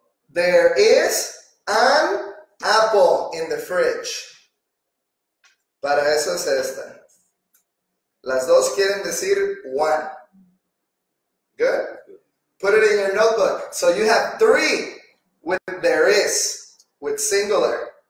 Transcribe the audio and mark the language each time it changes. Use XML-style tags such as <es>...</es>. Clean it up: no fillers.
<en>There is an apple in the fridge.</en> <es>Para eso es esta. Las dos quieren decir one.</es> <en>Good. Put it in your notebook. So you have three with there is, with singular.</en>